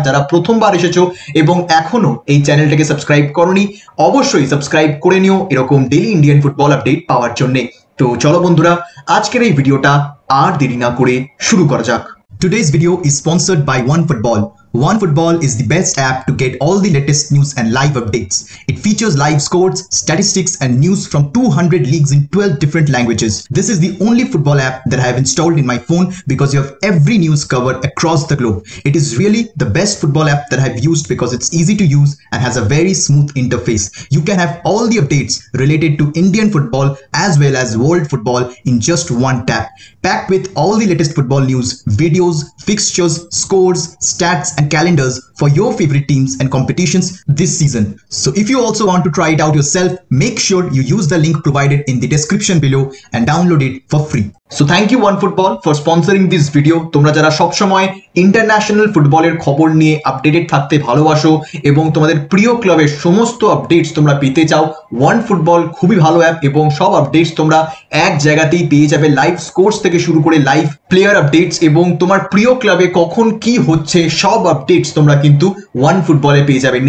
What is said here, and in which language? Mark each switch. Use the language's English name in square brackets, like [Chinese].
[Bangla] যারা প্রথমবার এসেছো এবং এখনো এই চ্যানেলটাকে সাবস্ক্রাইব করনি অবশ্যই সাবস্ক্রাইব করে নিও এরকম ডেইলি ইন্ডিয়ান ফুটবল আপডেট পাওয়ার জন্য। তো চলো বন্ধুরা আজকের এই ভিডিওটা আর দেরি না করে শুরু করা যাক। [English] Today's video is sponsored by one football. One Football is the best app to get all the latest news and live updates. It features live scores, statistics and news from 200 leagues in 12 different languages. This is the only football app that I have installed in my phone because you have every news covered across the globe. It is really the best football app that I have used because it's easy to use and has a very smooth interface. You can have all the updates related to Indian football as well as world football in just one tap. Packed with all the latest football news, videos, fixtures, scores, stats and calendars for your favorite teams and competitions this season. So if you also want to try it out yourself, make sure you use the link provided in the description below and download it for free. So thank you One Football for sponsoring this video. [Bangla] তোমরা যারা সব সময় international ফুটবলের খবর নিয়ে updated থাকতে ভালোবাসো এবং তোমাদের প্রিয় ক্লাবের সমস্ত আপডেটস তোমরা পেতে চাও, ওয়ান ফুটবল খুবই ভালো অ্যাপ এবং সব আপডেটস তোমরা এক জায়গাতেই পেয়ে যাবে। লাইভ স্কোরস থেকে শুরু করে লাইভ প্লেয়ার আপডেটস এবং তোমার প্রিয় ক্লাবে কখন কি হচ্ছে সব আপডেটস তোমরা কিন্তু ওয়ান ফুটবলে পেয়ে যাবে।